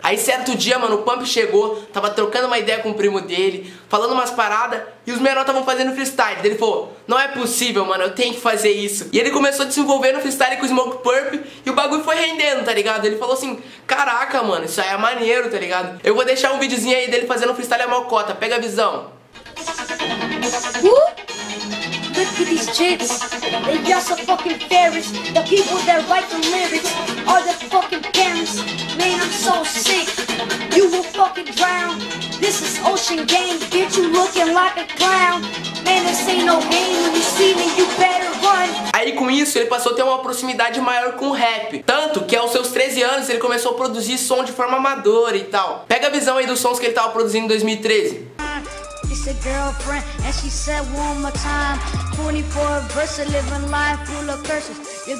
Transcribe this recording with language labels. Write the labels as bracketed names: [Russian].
[Portuguese] Aí certo dia, mano, o Pump chegou, tava trocando uma ideia com o primo dele, falando umas paradas, e os menor estavam fazendo freestyle. Ele falou, não é possível, mano, eu tenho que fazer isso. E ele começou a desenvolver no freestyle com o Smoke Purp, e o bagulho foi rendendo, tá ligado? Ele falou assim, caraca, mano, isso aí é maneiro, tá ligado? Eu vou deixar um videozinho aí dele fazendo freestyle a mocota, pega a visão. [English] Look at these chicks, they just a fucking fairies. The people that write the lyrics are the fucking parents. Man, I'm so sick, you will fucking drown. This is ocean game, get you looking like a clown. Man, this ain't no game, when you see me, you better run. [Portuguese] Aí com isso ele passou a ter uma proximidade maior com o rap. Tanto que aos seus 13 anos ele começou a produzir som de forma amadora e tal. Pega a visão aí dos sons que ele tava produzindo em 2013. [English] A girlfriend and she said one more time 24 verse living life full of curses.